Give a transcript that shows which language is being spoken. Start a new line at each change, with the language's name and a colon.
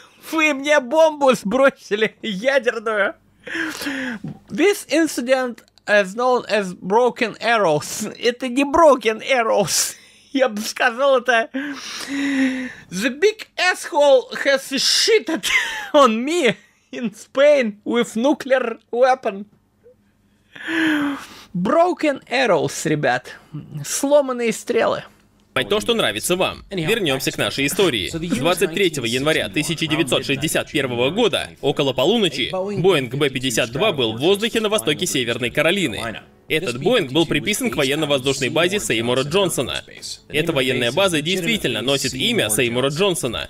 Russian: Вы мне бомбу сбросили, ядерную.
English: This incident is known as broken arrows.
Russian: Это не broken arrows. Я бы сказал это.
English: The big asshole has shitted on me in Spain with nuclear weapon. Broken arrows,
Russian: ребят. Сломанные стрелы. То, что нравится вам. Вернемся к нашей истории. 23 января 1961 года, около полуночи, Боинг B-52 был в воздухе на востоке Северной Каролины. Этот Боинг был приписан к военно-воздушной базе Сеймура Джонсона. Эта военная база действительно носит имя Сеймура Джонсона.